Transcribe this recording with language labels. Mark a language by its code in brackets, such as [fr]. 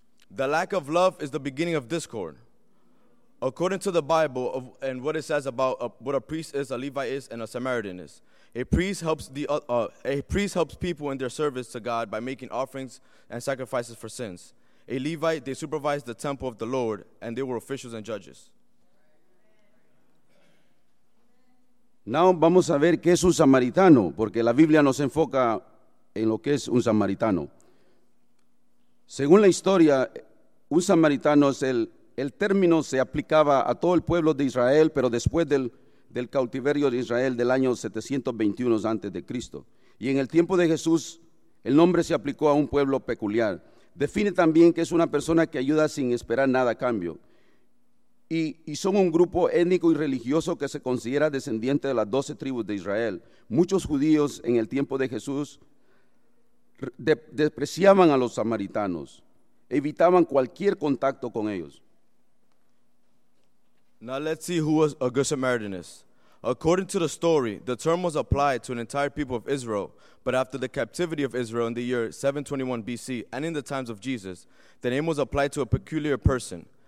[en] The lack of love is the beginning of discord. According to the Bible and what it says about what a priest is, a Levite is, and a Samaritan is, a priest helps people in their service to God by making offerings and sacrifices for sins. A Levite, they supervised the temple of the Lord, and they were officials and judges. [es] Now, vamos a ver qué es un samaritano, porque la Biblia nos enfoca en lo que es un samaritano. Según la historia, un samaritano es el término se aplicaba a todo el pueblo de Israel, pero después del cautiverio de Israel del año 721 antes de Cristo. Y en el tiempo de Jesús, el nombre se aplicó a un pueblo peculiar. Define también que es una persona que ayuda sin esperar nada a cambio. Y son un grupo étnico y religioso que se considera descendiente de las 12 tribus de Israel. Muchos judíos en el tiempo de Jesús despreciaban a los samaritanos, evitaban cualquier contacto con ellos. [en] Now let's see who was a good Samaritan is. According to the story, the term was applied to an entire people of Israel, but after the captivity of Israel in the year 721 BC and in the times of Jesus, the name was applied to a peculiar person.